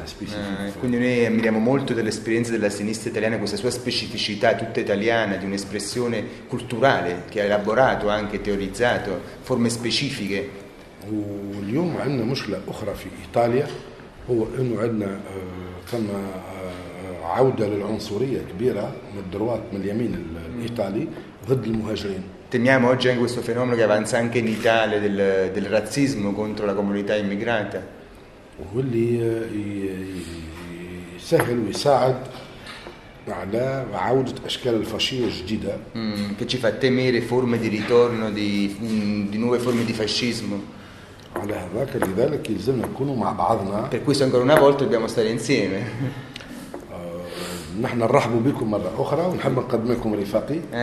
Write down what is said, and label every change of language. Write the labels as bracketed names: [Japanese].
[Italian] سبيسيفيك quindi noi ammiriamo molto dell'esperienza della sinistra italiana questa sua specificità tutta italiana di un'espressione culturale che ha elaborato anche teorizzato forme specifiche [Arabic] واليوم عندنا مشكلة أخرى في إيطاليا هو إنه عندنا كما عودة للعنصرية كبيرة من الدروات من اليمين الإيطالي ضد المهاجرين. [Italian] Temiamo oggi anche questo fenomeno che avanza anche in Italia del razzismo contro la comunità immigrata. [Arabic] واللي يسهل ويساعد على عودة أشكال الفاشية الجديدة. [Italian] Che ci fa temere forme di ritorno di nuove forme di fascismo. [Arabic] على هذاك لذلك يلزمنا نكونوا مع بعضنا. [Italian] Per questo ancora una volta dobbiamo stare insieme. [Arabic] نحن نرحب بكم مرة أخرى ونحب نقدم لكم رفاقي.